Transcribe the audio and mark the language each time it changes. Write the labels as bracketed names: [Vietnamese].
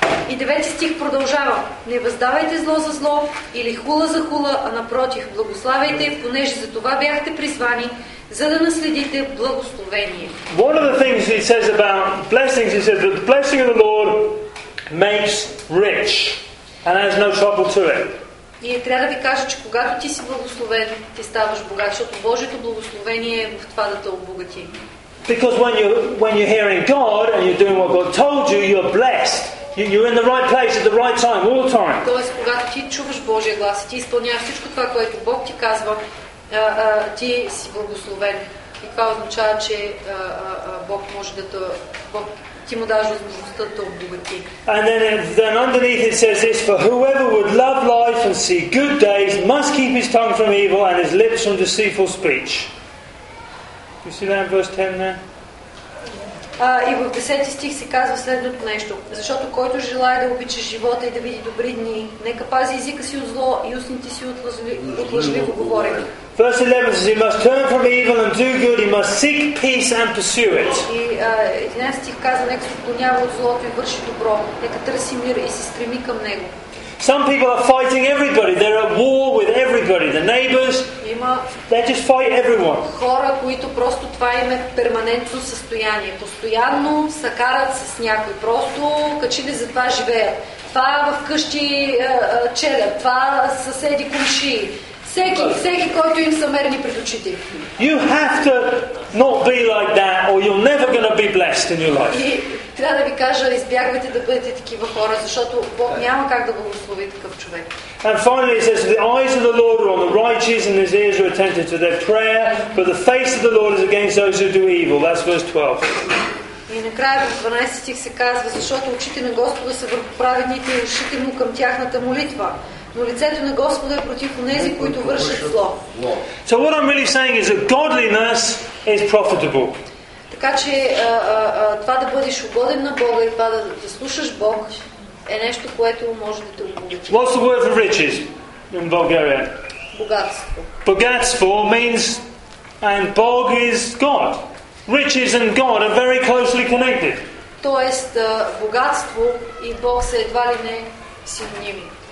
[Bulgarian] И девети стих продължава. Не въздавайте зло за зло или хула за хула, а напротив, благославяйте, понеже за това бяхте призвани, за да наследите благословение. [English] One of the things he says about blessings, he says that the blessing of the Lord makes rich and has no trouble to it. [Bulgarian] И трябва да ви кажа, че когато ти си благословен, ти ставаш богат, защото Божието благословение е в това да те обогати. [English] Because when you're hearing God and you're doing what God told you, you're blessed. You're in the right place at the right time, all the time. [Bulgarian] Тоест, когато ти чуваш Божия глас и ти изпълняваш всичко това, което Бог ти казва, ти си благословен. И това означава, че Бог може да те, Бог [English] And then underneath it says this: for whoever would love life and see good days must keep his tongue from evil and his lips from deceitful speech. You see that in verse 10 there? [Bulgarian] И в 10 стих се казва следното нещо. Защото който желая да обича живота и да види добри дни, нека пази езика си от зло и устните си от лъжливо говорене. [English] Verse 11 says he must turn from evil and do good, he must seek peace and pursue it. [Bulgarian] И 11 стих казва, нека се отклонява от злото и върши добро, нека търси мир и се стреми към него. [English] Some people are fighting everybody. They're at war with everybody. The neighbors, they just fight everyone. [Bulgarian] Хора, които просто това им е перманентно състояние. Постоянно се карат с някой. Просто качили за това живеят. Това вкъщи челят. Това съседи кумши. Всеки, който им са мерни пред очите. [English] You have to not be like that or you're never going to be blessed in your life. [Bulgarian] Трябва да ви кажа, избягвайте да бъдете такива хора, защото Бог няма как да благослови такъв човек. [English] And finally it says, the eyes of the Lord are on the righteous and his ears are attentive to their prayer, but the face of the Lord is against those who do evil. That's verse 12. [Bulgarian] И накрая в 12 стих се казва, защото очите на Господа са върху праведните и ушите му към тяхната молитва. Но лицето на Господа е против онези, които вършат зло. [English] So what I'm really saying is that godliness is profitable. [Bulgarian] Така че това да бъдеш угоден на Бога и това да слушаш Бог е нещо, което може да те обогати. [English] What's the word for riches in Bulgaria? [Bulgarian] Богатство. [English] Богатство means, and Bog is God. Riches and God are very closely connected. [Bulgarian] Тоест, богатство и Бог са едва ли не синоними.